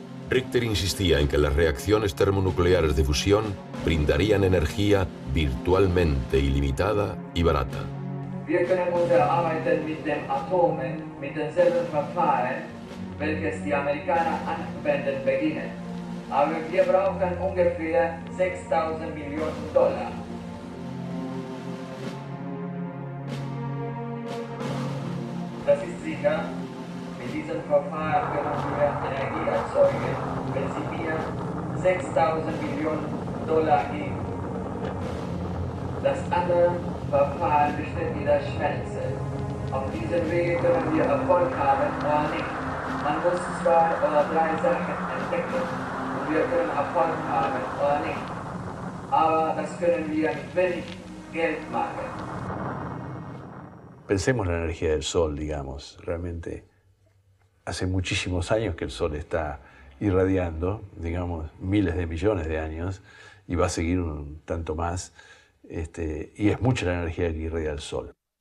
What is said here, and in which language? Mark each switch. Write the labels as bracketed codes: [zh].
[es] Richter insistía en que las reacciones termonucleares de fusión brindarían energía virtualmente ilimitada y barata. [de] Wir können unsere Arbeiten mit den Atomen, mit denselben Verfahren, welche die Amerikaner anwenden beginnen. Aber wir brauchen ungefähr 6.000 Millionen Dollar. Das ist sicher. Mit diesem Verfahren können wir Energie erzeugen, wenn Sie mir 6.000 Millionen Dollar geben. Das andere Verfahren besteht in der Schwänze. Auf diesem Weg können wir Erfolg haben oder nicht. Man muss zwei oder drei Sachen entdecken. Wir können Erfolg haben oder nicht. Aber das können wir mit wenig Geld machen. [es] Pensemos en la energía del sol, digamos. Realmente hace muchísimos años que el sol está irradiando, digamos, miles de millones de años, y va a seguir un tanto más, y es mucha la energía que irradia el sol.